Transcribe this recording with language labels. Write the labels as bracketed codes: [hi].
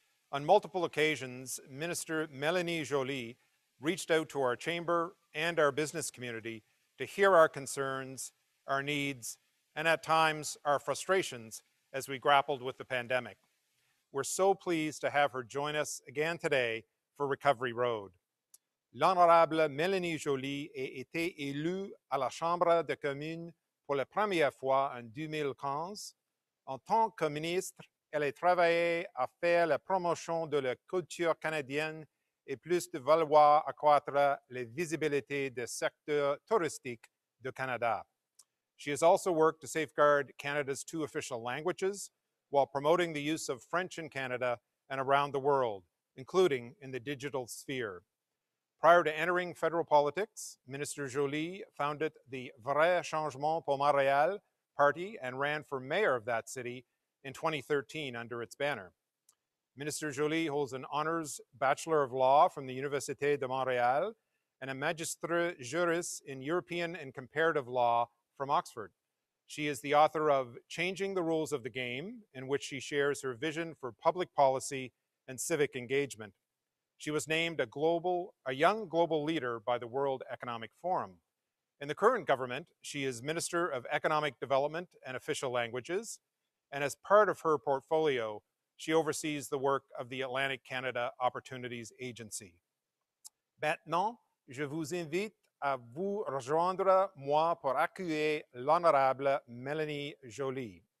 [en] On multiple occasions, Minister Mélanie Joly reached out to our chamber and our business community to hear our concerns, our needs, and at times our frustrations as we grappled with the pandemic. We're so pleased to have her join us again today for Recovery Road. [fr] L'honorable Mélanie Joly a été élue à la Chambre des communes pour la première fois en 2015. En tant que ministre, elle a travaillé à faire la promotion de la culture canadienne et plus de vouloir accroître la visibilité des secteurs touristiques du Canada. [en] She has also worked to safeguard Canada's two official languages while promoting the use of French in Canada and around the world, including in the digital sphere. Prior to entering federal politics, Minister Joly founded the Vrai Changement pour Montréal party and ran for mayor of that city in 2013 under its banner. Minister Joly holds an honors Bachelor of Law from the Université de Montréal and a Magistre Juris in European and Comparative Law from Oxford. She is the author of Changing the Rules of the Game, in which she shares her vision for public policy and civic engagement. She was named a young global leader by the World Economic Forum. In the current government, she is Minister of Economic Development and Official Languages. And as part of her portfolio, she oversees the work of the Atlantic Canada Opportunities Agency. [fr] Maintenant, je vous invite à vous rejoindre moi pour accueillir l'honorable Mélanie Joly.